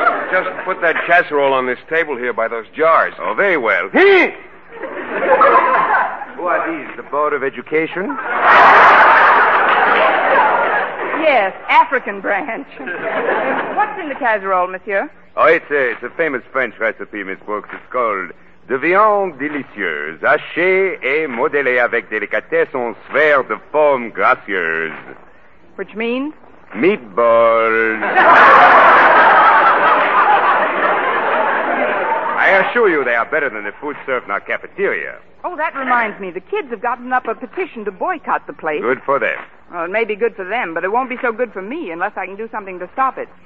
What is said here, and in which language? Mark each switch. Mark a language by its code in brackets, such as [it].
[en] Just put that casserole on this table here by those jars. Oh, very well. He! Who are these? The Board of Education? Yes, African branch. What's in the casserole, monsieur? Oh, it's a famous French recipe, Miss Brooks. It's called [fr] de viande délicieuse, hachée et modelée avec délicatesse en sphère de forme gracieuse. [en] Which means? Meatballs. I assure you they are better than the food served in our cafeteria. Oh, that reminds me. The kids have gotten up a petition to boycott the place. Good for them. Well, it may be good for them, but it won't be so good for me unless I can do something to stop it.